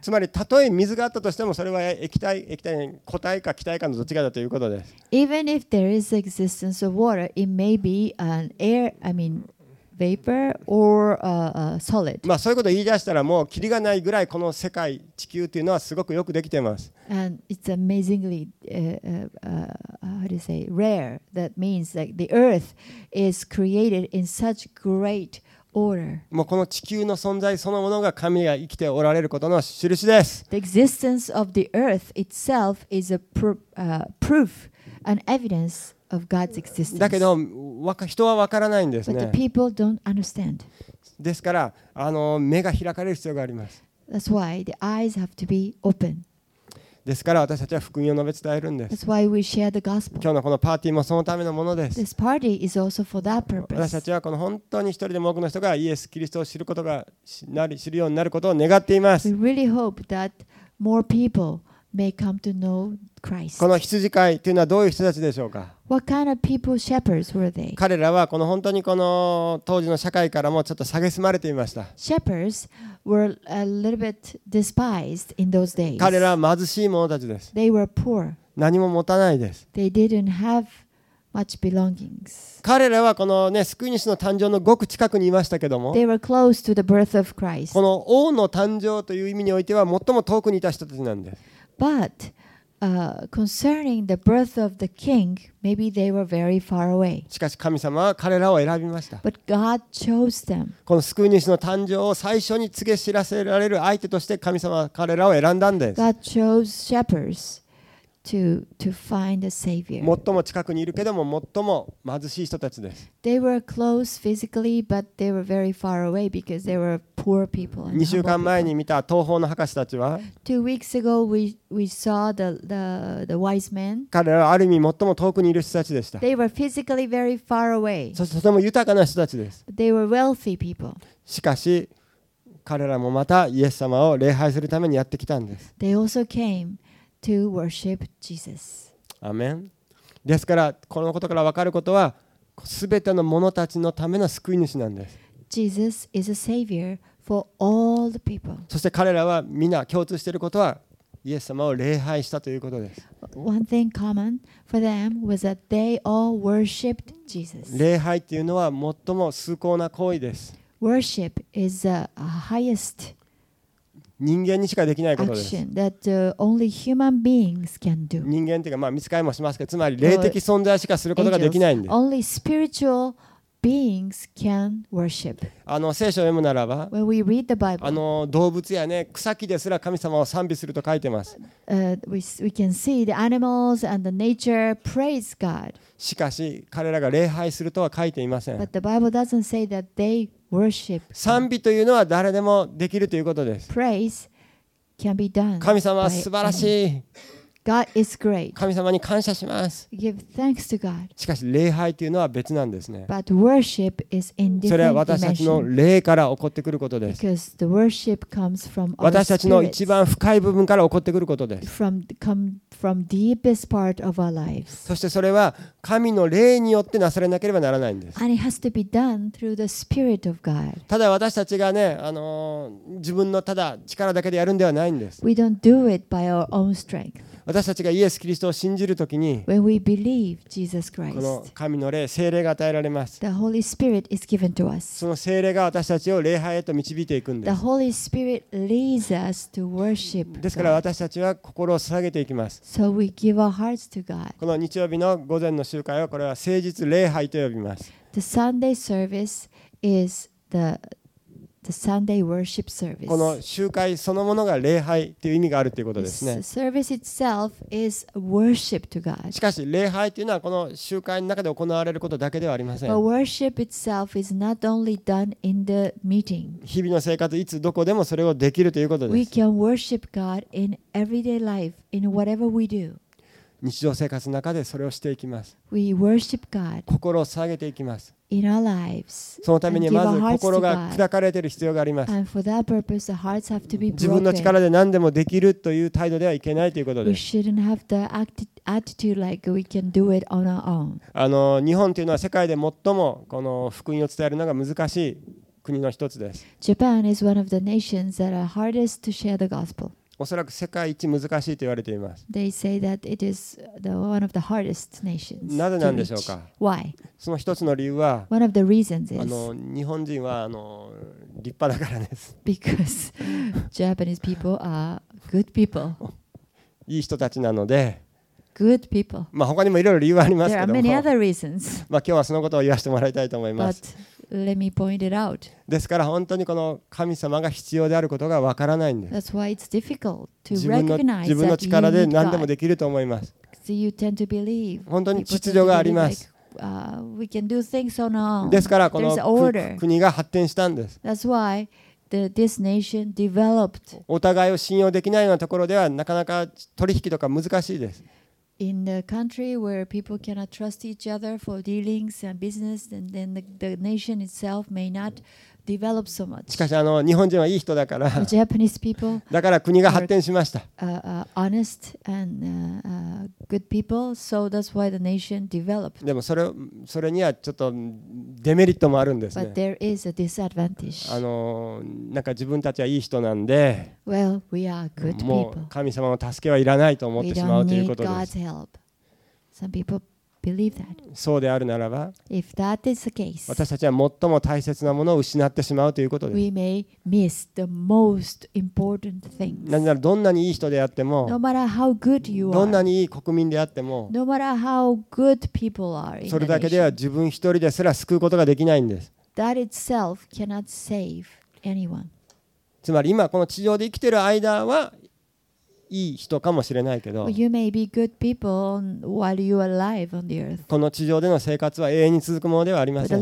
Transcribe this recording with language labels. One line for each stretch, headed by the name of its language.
Japanese: つまりたとえ水があったとしてもそれは液体固体か気体かのどっちかだということです。
English: Even if there is existence of water, it may be an air, vapor or solid.
Japanese: まあそういうことを言い出したらもうキリがないぐらいこの世界、地球というのはすごくよくできています。
English: And it's amazingly, how do you say, rare. That means that the Earth is created in such great order.
Japanese: もうこの地球の存在そのものが神が生きておられることの印です。
English: The existence of the Earth itself is a proof, an evidence. Of God's existence.
Japanese: だけど人は分からないんですね。
English: But the people don't understand.
Japanese: ですから目が開かれる必要があります。
English: That's why the eyes have to be open.
Japanese: ですから私たちは福音を述べ伝えるんです。
English: That's why we share the gospel.
Japanese: 今日のこのパーティーもそのためのものです。
English: This party is also for that purpose.
Japanese: 私たちはこの本当に一人でも多くの人がイエス・キリストを知ることが知るようになることを願っています。
English: We really hope that more people may come to know Christ.
Japanese: この羊飼いというのはどういう人たちでしょうか。
English: What kind of people, shepherds were they?
Japanese: 彼らはこの本当にこの当時の社会からもちょっと蔑まれていました。
English: Shepherds were a little bit despised in those days.
Japanese: 彼らは貧しい者たちです。
English: They were poor.
Japanese: 何も持たないです。
English: They didn't have much belongings.
Japanese: 彼らはこのね救い主の誕生のごく近くにいましたけども。
English: They were close to the birth of Christ.
Japanese: この王の誕生という意味においては最も遠くにいた人たちなんです。
English: But concerning the birth of the king, maybe they were very far away.
Japanese: しかし神様は彼らを選びました。
English: But God chose them.
Japanese: この救い主の誕生を最初に告げ知らせられる相手として神様は彼らを選んだんです。
English: God chose shepherds to find a savior.
Japanese: 最も近くにいるけども最も貧しい人たちです。
English: They were close physically, but they were very far away because they were poor people.
Japanese: 2週間前に見た東方の博士たちは、
English: 2 weeks ago we saw the wise men.
Japanese: 彼らはある意味最も遠くにいる人たちでした。
English: They were physically very far away.
Japanese: そしてとても豊かな人たちです。
English: They were wealthy people.
Japanese: しかし彼らもまたイエス様を礼拝するためにやってきたんです。
English: They also came to worship Jesus.
Japanese: アメン。ですからこのことから分かることは、すべての者たちのための救い主なんです。
English: Jesus is a savior for all the people.
Japanese: そして彼らはみんな共通していることは、イエス様を礼拝したということです。
English: One thing common for them was that they all worshipped Jesus.
Japanese: 礼拝っていうのは最も崇高な行為です。
English: Worship is the highest.
Japanese: 人間にしかできないことです。
English: Action that only human beings can do.
Japanese: 人間っていうか見つかりもしますけど、つまり霊的存在しかすることができないんです。
English: Only spiritual beings can worship.
Japanese: 聖書を読むならば、
English: When we read the Bible,
Japanese: 動物や、ね、草木ですら神様を賛美すると書いてます。
English: We can see the animals and the nature praise God.
Japanese: しかし彼らが礼拝するとは書いていません。
English: But the Bible doesn't say that they worship.
Japanese: 賛美というのは誰でもできるということです。
English: Praise can be done.
Japanese: 神様は素晴らしい。
English: God is great.
Japanese: 神様に感謝します。
English: Give thanks to God.
Japanese: しかし礼拝というのは別なんですね。
English: But worship is in different dimension.
Japanese: それは私たちの霊から起こってくることです。
English: Because the worship comes from our spirits.
Japanese: 私たちの一番深い部分から起こってくることです。
English: From deepest part of our lives.
Japanese: そしてそれは神の霊によってなされなければならないんです。
English: And it has to be done through the Spirit of God.
Japanese: ただ私たちがね、自分のただ力だけでやるんではないんです。
English: We don't do it by our own strength.
Japanese: 私たちがイエス・キリストを信じるときに、
English: When we believe Jesus Christ,
Japanese: この神の霊、聖霊が与えられます。
English: The Holy Spirit is given to us.
Japanese: その聖霊が私たちを礼拝へと導いていくんです。
English: The Holy Spirit leads us to worship.
Japanese: ですから私たちは心を捧げていきます。
English: So we give our hearts to God.
Japanese: この日曜日の午前の集会をこれは聖日礼拝と呼びます。
English: The Sunday service is the Sunday worship service.
Japanese: この集会そのものが礼拝という意味があるということですね。
English: The service itself is worship to God.
Japanese: しかし礼拝というのはこの集会の中で行われることだけではありません。
English: But worship itself is not only done in the meeting.
Japanese: 日々の生活いつどこでもそれをできるということです。
English: We can worship God in everyday life, in whatever we do.
Japanese: 日常生活の中でそれをしていきます。
English: We worship God.
Japanese: 心を捧げていきます。
English: In our lives.
Japanese: そのためにまず心が砕かれている必要があります。
English: And for that purpose, the hearts have to be broken.
Japanese: 自分の力で何でもできるという態度ではいけないということです。
English: We shouldn't have the attitude like we can do it on our own.
Japanese: 日本というのは世界で最もこの福音を伝えるのが難しい国の一つです。
English: Japan is one of the nations that are hardest to share the gospel.
Japanese: おそらく世界一難しいと言われています。
English: They say that it is the one of the hardest nations.
Japanese: なぜなんでしょうか。
English: Why?
Japanese: その一つの理由は、
English: One of the reasons is
Japanese: 日本人は立派だからです。
English: Because Japanese people are good people.
Japanese: いい人たちなので。
English: Good people.
Japanese: まあ他にもいろいろ理由はありますけども。
English: There are many other reasons.
Japanese: まあ今日はそのことを言わせてもらいたいと思います。
English: Let me point it out.
Japanese: ですから本当にこの神様が必要であることがわからないんです。
English: That's why it's difficult to recognize that you need God.
Japanese: 自分の力で何でもできると思います。
English: So you tend to believe.
Japanese: 本当に秩序があります。
English: We can do things on our own.
Japanese: ですからこの国が発展したんです。
English: That's why this nation developed.
Japanese: お互いを信用できないようなところではなかなか取引とか難しいです。
English: In the country where people cannot trust each other for dealings and business, and then the nation itself may not develop so much.
Japanese: しかし日本人はいい人だから。
English: Japanese people.
Japanese: だから国が発展しました。
English: Honest and good people, so that's why the nation developed.
Japanese: でもそれにはちょっとデメリットもあるんですね。
English: But there is a disadvantage.
Japanese: なんか自分たちはいい人なんで。
English: Well, we are good people.
Japanese: もう神様の助けはいらないと思ってしまうということです。
English: We don't need God's help. Some people believe that.
Japanese: そうであるならば、
English: If that is the case,
Japanese: 私たちは最も大切なものを失ってしまうということです。
English: We may miss the most important things.
Japanese: なぜならどんなにいい人であっても、
English: No matter how good you are,
Japanese: どんなにいい国民であっても、
English: No matter how good people are in the nation,
Japanese: それだけでは自分一人ですら救うことができないんです。
English: That itself cannot save anyone.
Japanese: つまり今この地上で生きている間はいい人かもしれないけど、この地上での生活は永遠に続くものではありません。